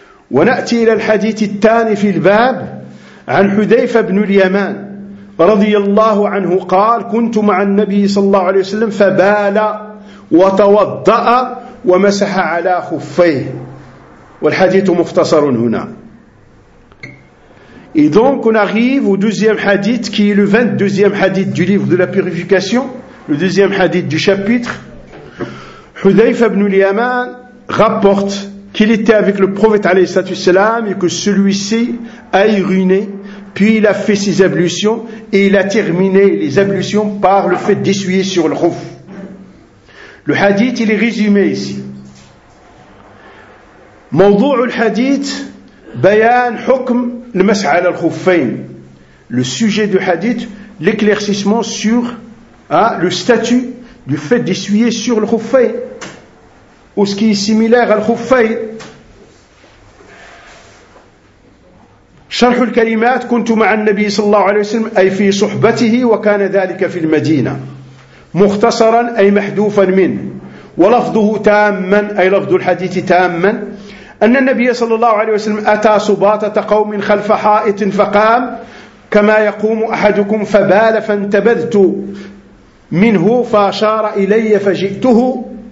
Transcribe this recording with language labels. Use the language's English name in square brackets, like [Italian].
[Arabic] ونأتي إلى الحديث الثاني في الباب عن حذيفة بن اليمان رضي الله عنه قال كنت مع النبي صلى الله عليه وسلم فبال وتوضأ ومسح على خفيه والحديث مختصر هنا. [French] Et donc on arrive au deuxième hadith qui est le 22e hadith du livre de la purification, le deuxième hadith du chapitre. Hudhayfa ibn al-Yaman rapporte qu'il était avec le prophète [Arabic] عليه الصلاة والسلام [French] et que celui-ci a uriné. Puis il a fait ses ablutions et il a terminé les ablutions par le fait d'essuyer sur le khuf. Le hadith, il est résumé ici. [Arabic] موضوع الحديث بيان حكم المسح على الخفين. [French] Le sujet du hadith, l'éclaircissement sur le statut du fait d'essuyer sur le khuffain ou ce qui est similaire à le khuffain. [Arabic] شرح الكلمات كنت مع النبي صلى الله عليه وسلم أي في صحبته وكان ذلك في المدينة مختصرا أي محذوفا منه ولفظه تاما أي لفظ الحديث تاما أن النبي صلى الله عليه وسلم أتى سباطة قوم خلف حائط فقام كما يقوم أحدكم فبال فانتبذت منه فأشار إلي فجئته